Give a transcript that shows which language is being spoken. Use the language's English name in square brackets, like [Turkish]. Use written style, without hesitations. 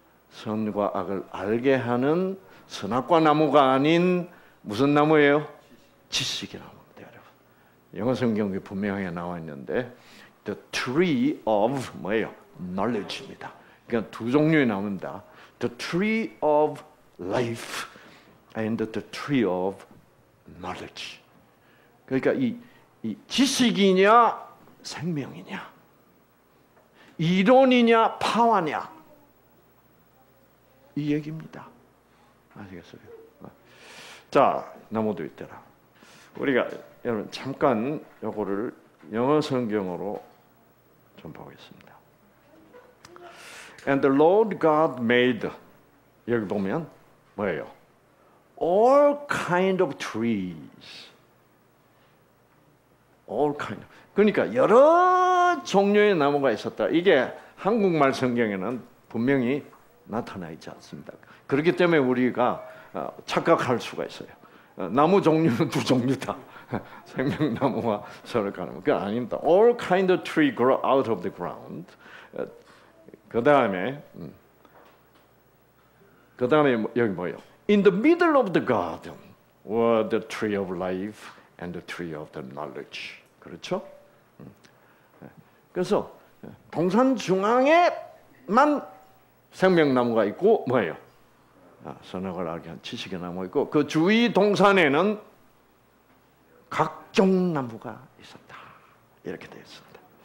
[Korean] 선과 악을 알게 하는 선악과 나무가 아닌 무슨 나무예요? 지식의 나무입니다, 여러분. 영어 성경에 분명히 나와 있는데 [English] The tree of [Korean] 뭐예요? Knowledge입니다. 그러니까 두 종류의 나무입니다. [English] The tree of life and the tree of knowledge. [Korean] 그러니까 이 지식이냐 생명이냐 이론이냐 파워냐 이 얘기입니다. 아시겠어요? 자, 나무도 있더라. 우리가 여러분 잠깐 요거를 영어 성경으로 좀 보겠습니다. [English] And the Lord God made [Korean] 여기 보면 뭐예요? [English] All kind of trees. All kind. [Korean] 그러니까 여러 종류의 나무가 있었다. 이게 한국말 성경에는 분명히 나타나 있지 않습니다. 그렇기 때문에 우리가 착각할 수가 있어요. 나무 종류는 두 종류다. 생명나무와 선악과나무. 그 아닙니다. [English] All kind of tree grow out of the ground. [Korean] 그 다음에 여기 뭐예요? [English] In the middle of the garden were the tree of life and the tree of the knowledge. [Korean] 그렇죠? 그래서 동산 중앙에만 생명나무가 있고 뭐예요? 선악을 알게 한 지식의 나무 있고 그 주위 동산에는 각종 나무가 있었다. 이렇게 되었습니다.